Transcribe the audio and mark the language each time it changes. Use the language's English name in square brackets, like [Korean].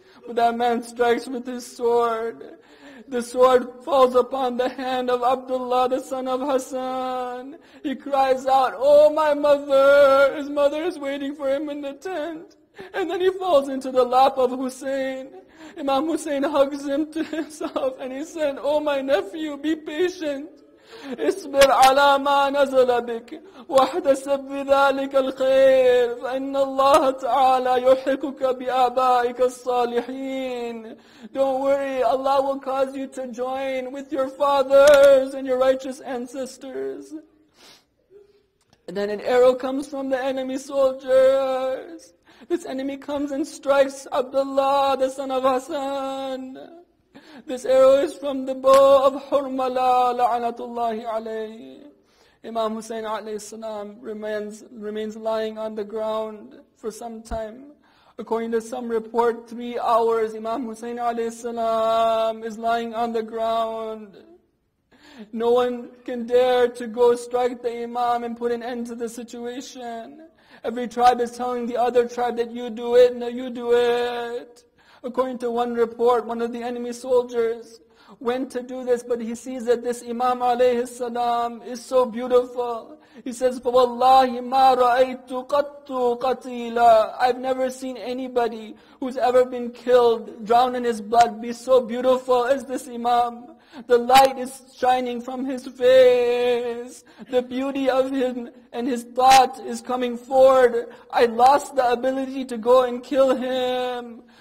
[English] But that man strikes with his sword. The sword falls upon the hand of Abdullah, the son of Hassan. He cries out, Oh, my mother! His mother is waiting for him in the tent. And then he falls into the lap of Hussein. Imam Hussein hugs him to himself and he said, Oh my nephew, be patient. [Arabic] اسبر على ما نزل بك واحتسب بذلك الخير فإن الله تعالى يحقك بآبائك الصالحين. [English] Don't worry, Allah will cause you to join with your fathers and your righteous ancestors. And then an arrow comes from the enemy soldiers. This enemy comes and strikes Abdullah, the son of Hassan. This arrow is from the bow of Hurmala, la'anatullahi alayhi. Imam Hussein alayhi salam remains lying on the ground for some time. According to some report, 3 hours, Imam Hussein alayhi salam is lying on the ground. No one can dare to go strike the Imam and put an end to the situation. Every tribe is telling the other tribe that you do it, no, you do it. According to one report, one of the enemy soldiers went to do this, but he sees that this Imam alayhi salam is so beautiful. He says, [Arabic] فَوَاللَّهِ مَا رَأَيْتُ قَطُّ قَتِيلًا. [English] I've never seen anybody who's ever been killed, drowned in his blood, be so beautiful as this Imam. The light is shining from his face. The beauty of him and his thought is coming forward. I lost the ability to go and kill him.